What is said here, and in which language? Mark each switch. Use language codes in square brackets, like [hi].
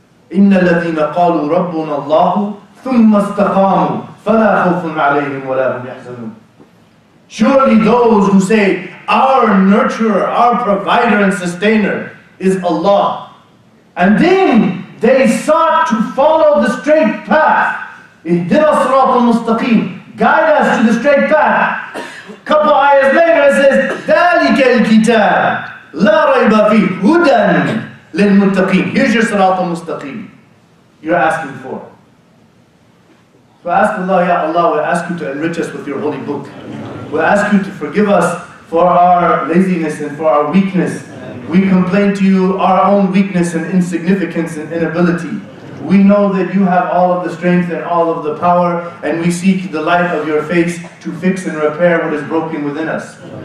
[ar] إِنَّ الَّذِينَ قَالُوا رَبُّنَا اللَّهُ ثُمَّ اسْتَقَامُوا فَلَا خَوْفٌ عَلَيْهِمْ وَلَا هُمْ يَحْزَنُونَ. [en] Surely those who say, our nurturer, our provider and sustainer is Allah, and then they sought to follow the straight path. [ar] اِهْدِنَا الصِّرَاطَ الْمُسْتَقِيمَ. [en] Guide us to the straight path. Couple ayahs later it says, [ar] ذَلِكَ الْكِتَابِ لَا رَيْبَ فِيهِ هُدًى لِلْمُتَّقِيمِ. [en] Here's your Sirat al-Mustaqeem. You're asking for. So ask Allah, Ya Allah, we ask you to enrich us with your holy book. We ask you to forgive us for our laziness and for our weakness. We complain to you our own weakness and insignificance and inability. We know that you have all of the strength and all of the power, and we seek the light of your face to fix and repair what is broken within us.